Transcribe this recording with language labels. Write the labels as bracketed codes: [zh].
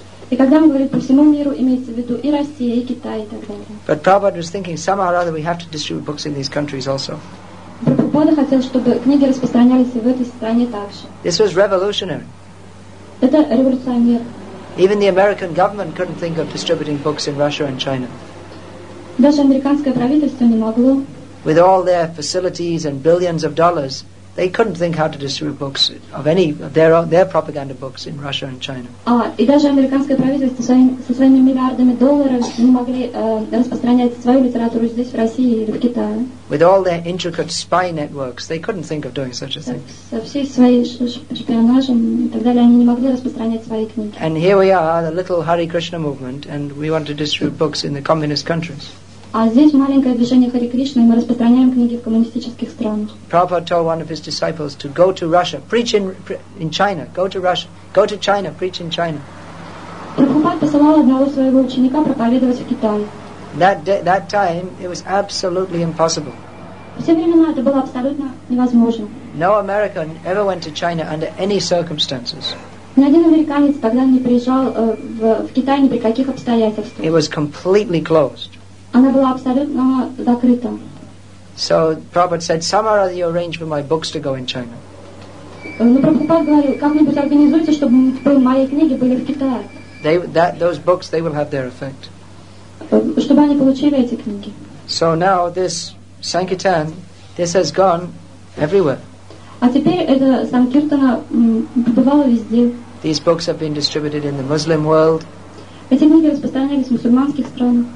[en] But Prabhupada was thinking somehow or other we have to distribute books in these countries also. This was revolutionary. Even the American government couldn't think of distributing books in Russia and China. [ru] Даже американское правительство не могло. [en] With all their facilities and billions of dollars, they couldn't think how to distribute books of any of their own, their propaganda books in Russia and China. [ru] И даже американское правительство со своими миллиардами долларов не могли распространять свою литературу здесь в России или в Китае. [en] With all their intricate spy networks, they couldn't think of doing such a thing. [ru] Со всей своей шпионажем и так далее они не могли распространять свои книги. [en] And here we are, the little Hare Krishna movement, and we want to distribute books in the communist countries. [ru] А здесь маленькое движение Хари Кришны, и мы распространяем книги в коммунистических странах. [en] Prabhupada told one of his disciples to go to Russia, preach in China. Go to Russia. Go to China, preach in China. [ru] Прабхупад посылал одного своего ученика проповедовать в Китае. [en] That time it was absolutely impossible. [ru] Все времена это было абсолютно невозможно. [en] No American ever went to China under any circumstances. [ru] Ни один американец тогда не приезжал в Китай ни при каких обстоятельствах. [en] It was completely closed. [ru] Она была абсолютно закрыта. [en] So Prabhupada said, somehow or other you arrange for my books to go in China. [ru] Но Прабхупада говорил, как-нибудь организуйте, чтобы мои книги были в Китае. [en] Those books, they will have their effect. [ru] Чтобы они получили эти книги. [en] So now this Sankirtan, this has gone everywhere. [ru] А теперь это Санкиртана бывало везде. [en] These books have been distributed in the Muslim world. [ru] Эти книги распространялись в мусульманских странах.